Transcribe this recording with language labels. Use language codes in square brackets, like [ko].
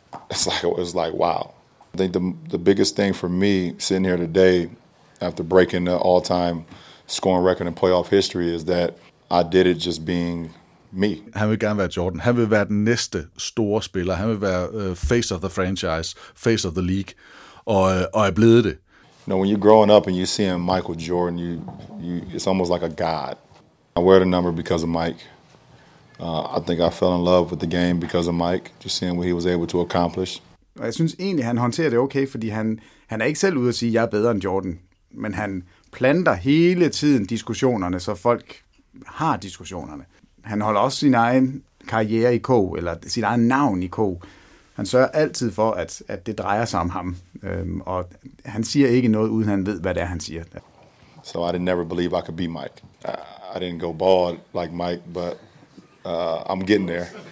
[en] It's like wow. I think the biggest thing for me sitting here today after breaking the all-time scoring record in playoff history is that I did it just being me. [da] Han vil gerne være Jordan. Han vil være den næste store spiller. Han vil være [en] face of the franchise, face of the league. [da] Og er blevet det. [en] You know, when you're growing up and you see Michael Jordan, you it's almost like a god. I wear the number because of Mike. I think I fell in love with the game because of Mike, just seeing what he was able to accomplish. [da] Og jeg synes egentlig, han håndterer det okay, fordi han er ikke selv ude at sige, at jeg er bedre end Jordan. Men han planter hele tiden diskussionerne, så folk har diskussionerne. Han holder også sin egen karriere i kog, eller sit egen navn i kog. Han sørger altid for, at det drejer sig om ham. Og han siger ikke noget, uden han ved, hvad det er, han siger. [en] So I didn't never believe I could be Mike. I didn't go bald like Mike, but I'm getting there.